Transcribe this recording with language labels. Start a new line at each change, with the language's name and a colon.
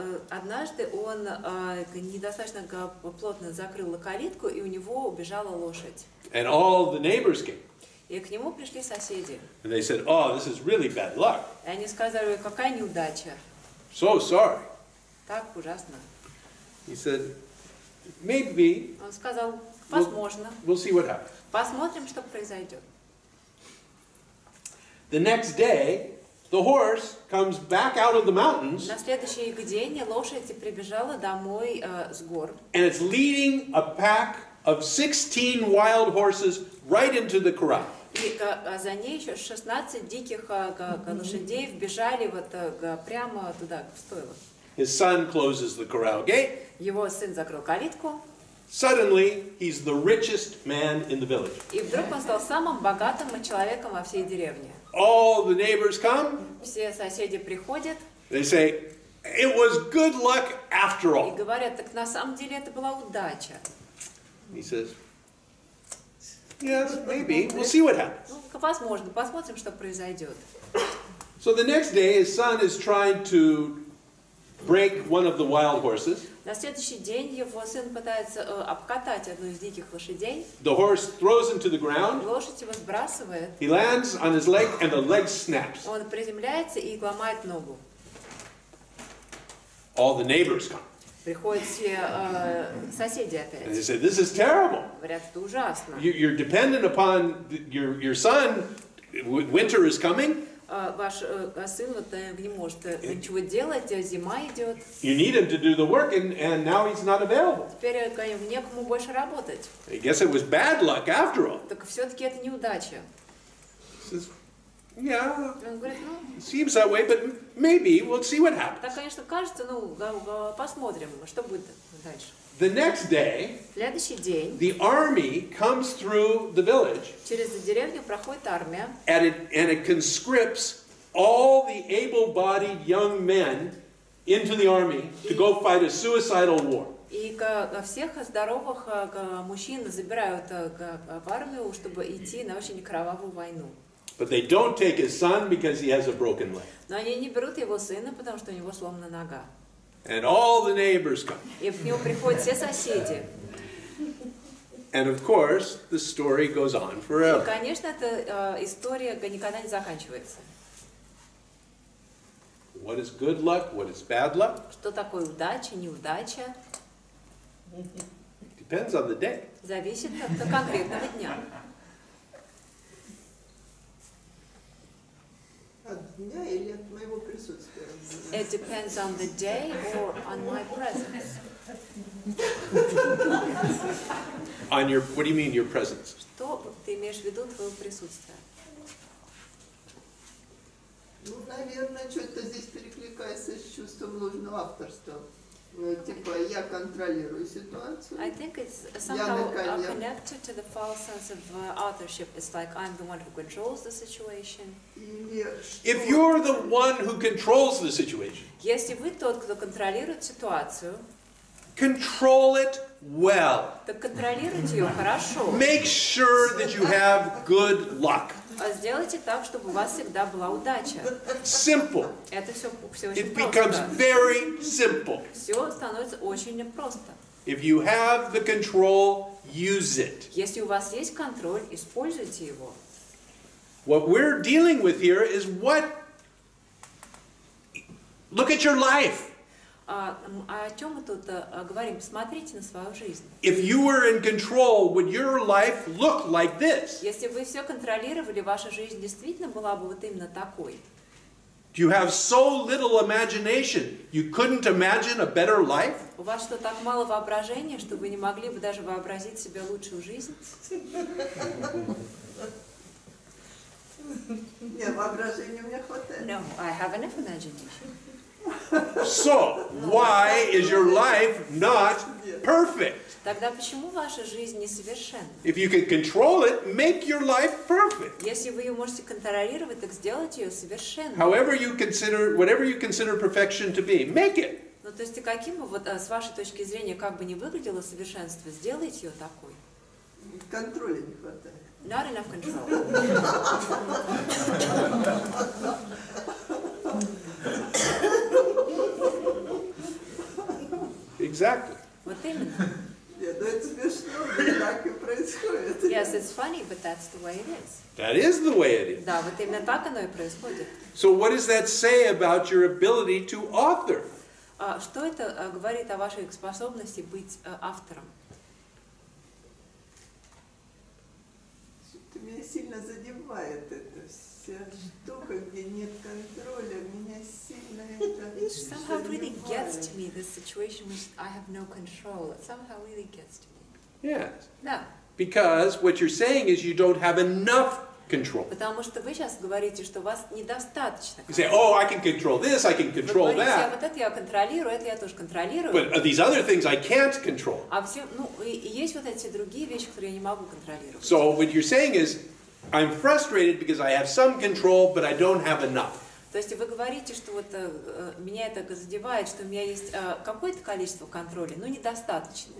Russian: Однажды он недостаточно плотно закрыл калитку, и у него убежала лошадь.
English: And all the neighbors came.
Russian: И к нему пришли соседи.
English: And they said, oh, this is really bad luck.
Russian: И они сказали, какая неудача.
English: So sorry.
Russian: Так ужасно.
English: He said, maybe.
Russian: Он сказал, возможно.
English: We'll see what happens.
Russian: Посмотрим, что произойдет.
English: The next day, the horse comes back out of the mountains.
Russian: На следующий день лошадь прибежала домой с гор.
English: And it's leading a pack of 16 wild horses right into the corral.
Russian: И за ней еще 16 диких лошадей вбежали вот прямо туда, в стойло.
English: His son closes the corral gate.
Russian: Его сын закрыл калитку.
English: Suddenly, he's the richest man in the village.
Russian: И вдруг он стал самым богатым человеком во всей деревне.
English: All the neighbors come.
Russian: Все соседи приходят.
English: They say, it was good luck after all.
Russian: И говорят, так на самом деле это была удача.
English: He says, yes, maybe. We'll see what happens.
Russian: Ну, возможно, посмотрим, что произойдет.
English: So the next day, his son is trying to break one of the wild horses.
Russian: На следующий день его сын пытается обкатать одну из диких лошадей.
English: The horse throws him to the ground.
Russian: Лошадь его сбрасывает.
English: He lands on his leg and the leg snaps.
Russian: Он приземляется и ломает ногу.
English: All the neighbors come.
Russian: Приходят все соседи опять.
English: And they say, this is terrible.
Russian: Говорят, это ужасно.
English: You're dependent upon your son winter is coming.
Russian: Ваш сын вот не может ничего делать, а зима идет.
English: You need him to do the work, and now he's not available.
Russian: Теперь некому больше работать.
English: I guess it was bad luck after all.
Russian: Так все-таки это неудача.
English: Yeah. Seems that way, but maybe we'll see what happens.
Russian: Так, конечно, кажется, ну посмотрим, что будет дальше.
English: The next day,
Russian: следующий день,
English: the army comes through the village.
Russian: Через деревню проходит армия.
English: And it conscripts all the able-bodied young men into the army to go fight a suicidal war.
Russian: И всех здоровых мужчин забирают в армию, чтобы идти на очень кровавую войну.
English: But they don't take his son because he has a broken leg.
Russian: Но они не берут его сына, потому что у него сломана нога.
English: And all the neighbors come.
Russian: И к нему приходят все соседи.
English: And of course, the story goes on forever.
Russian: И, конечно, эта история никогда не заканчивается.
English: What is good luck? What is bad luck?
Russian: Что такое удача, неудача?
English: It depends on the day.
Russian: Зависит от конкретного дня.
English: It depends on the day or on my presence. On your, what do you mean, your presence?
Russian: Что ты имеешь в виду, твое присутствие? Ну, наверное, что-то здесь перекликается с чувством ложного авторства. Типа, я контролирую ситуацию.
English: I think it's somehow connected to the false sense of authorship. It's like, I'm the one who controls the situation. If you're the one who controls the situation,
Russian: если вы тот, кто контролирует ситуацию,
English: control it well.
Russian: Так контролируйте ее хорошо.
English: Make sure that you have good luck.
Russian: А сделайте так, чтобы у вас всегда была удача.
English: Simple.
Russian: Это все очень просто.
English: It becomes very simple.
Russian: Все становится очень просто.
English: If you have the control, use it.
Russian: Если у вас есть контроль, используйте его.
English: What we're dealing with here is what? Look at your life.
Russian: О чем мы тут говорим? Посмотрите на свою жизнь.
English: If you were in control, would your life look like this?
Russian: Если вы все контролировали, ваша жизнь действительно была бы вот именно такой.
English: Do you have so little imagination you couldn't imagine a better life?
Russian: У вас что, так мало воображения, что вы не могли бы даже вообразить себе лучшую жизнь? Нет, воображения у меня хватает.
English: No, I have enough imagination. So, why is your life not perfect?
Russian: Тогда почему ваша жизнь несовершенна?
English: If you can control it, make your life perfect.
Russian: Если вы ее можете контролировать, так сделайте ее совершенной.
English: However you consider, whatever you consider perfection to be, make it.
Russian: Ну, то есть, каким бы, вот, с вашей точки зрения, как бы ни выглядело совершенство, сделайте ее такой. Контроля не хватает.
English: Not enough control. Exactly.
Russian: Вот именно. Нет, это смешно, так и происходит.
English: Yes, it's funny, but that's the way it is. That is the way it is.
Russian: Да, вот именно так оно и происходит.
English: So what does that say about your ability to author?
Russian: Что это говорит о вашей способности быть автором? Меня сильно задевает эта вся штука, где нет контроля. Меня сильно это задевает.
English: It somehow really gets to me, this situation which I have no control. It somehow really gets to me. Yes.
Russian: Да.
English: Because what you're saying is you don't have enough control.
Russian: Потому что вы сейчас говорите, что у вас недостаточно.
English: You say, oh, I can control this, I can control that.
Russian: Вы говорите, вот это я контролирую, это я тоже контролирую.
English: But these other things I can't control.
Russian: А все, ну, и есть вот эти другие вещи, которые я не могу контролировать.
English: So what you're saying is, I'm frustrated because I have some control, but I don't have enough.
Russian: То есть вы говорите, что вот меня это задевает, что у меня есть какое-то количество контроля, но недостаточно.